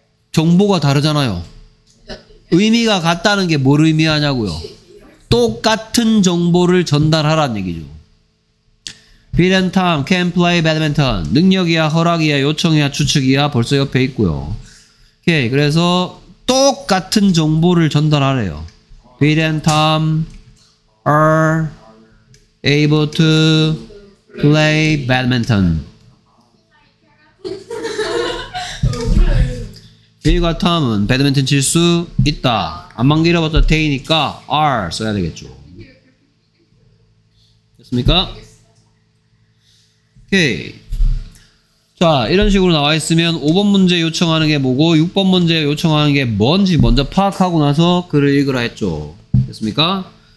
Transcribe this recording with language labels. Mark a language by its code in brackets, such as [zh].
[ko] 정보가 다르잖아요. 의미가 같다는 게 뭘 의미하냐고요. 똑같은 정보를 전달하라는 얘기죠. [en] Bill and Tom can play badminton. [ko] 능력이야, 허락이야, 요청이야, 추측이야 벌써 옆에 있고요. 오케이, 그래서 똑같은 정보를 전달하래요. [en] Bill and Tom are able to play badminton. [ko] 빌과 톰은 배드민턴 칠 수 있다. 안만 길어봤자 데이니까 R 써야 되겠죠. 됐습니까? 오케이. 자, 이런 식으로 나와 있으면 5번 문제 요청하는 게 뭐고 6번 문제 요청하는 게 뭔지 먼저 파악하고 나서 글을 읽으라 했죠. 됐습니까?